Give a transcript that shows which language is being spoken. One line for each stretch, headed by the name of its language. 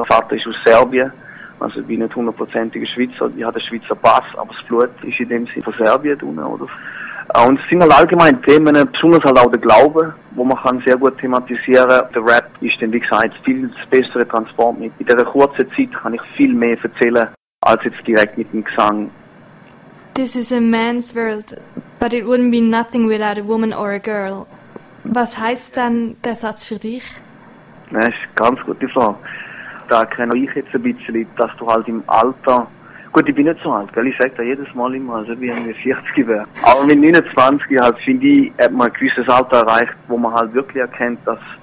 German: Mein Vater ist aus Serbien, also ich bin nicht hundertprozentiger Schweizer, ich habe den Schweizer Pass, aber das Blut ist in dem Sinne von Serbien drin, oder? Und es sind halt allgemein Themen, besonders halt auch der Glaube, wo man kann sehr gut thematisieren. Der Rap ist dann, wie gesagt, viel das bessere Transportmittel. In dieser kurzen Zeit kann ich viel mehr erzählen, als jetzt direkt mit dem Gesang.
English: This is a man's world, but it wouldn't be nothing without a woman or a girl.
German: Was heisst denn der Satz für dich? Das ist eine ganz gute Frage. Da kenne ich jetzt ein bisschen, dass du halt im Alter... Gut, ich bin nicht so alt, gell? Ich sage das jedes Mal immer, als ob ich irgendwie 40 wäre. Aber mit 29 halt, finde ich, hat man ein gewisses Alter erreicht, wo man halt wirklich erkennt, dass